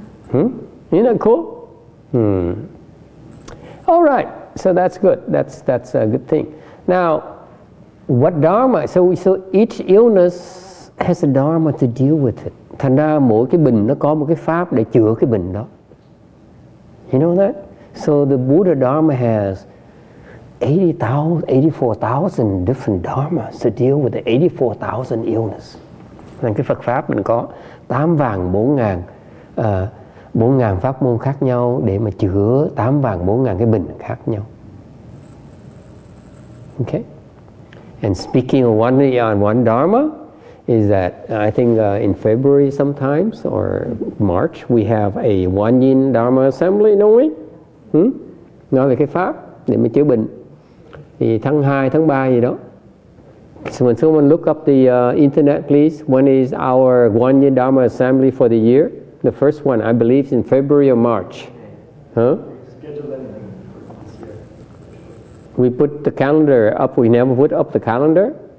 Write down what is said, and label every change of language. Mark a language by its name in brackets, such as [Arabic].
[English] Hmm? Isn't that cool? Hmm. All right. So that's good. That's a good thing. Now, what dharma? So each illness has a dharma to deal with it. [Vietnamese] Thành ra mỗi cái bệnh nó có một cái pháp để chữa cái bệnh đó. [English] You know that? So the Buddha dharma has 84,000 different dharmas to deal with the 84,000 illness. [Vietnamese] Thành cái Phật pháp mình có 84,000 pháp môn khác nhau để mà chữa 84,000 cái bệnh khác nhau. [English] Okay. And speaking of one dharma, is that I think in February sometimes or March we have a one yin dharma assembly, don't we? Hmm? [Vietnamese] Nói về cái pháp để mà chữa bệnh thì tháng 2, tháng 3 gì đó. [English] Someone look up the internet, please. When is our one yin dharma assembly for the year? The first one, I believe, is in February or March. Huh? We put the calendar up. We never put up the calendar.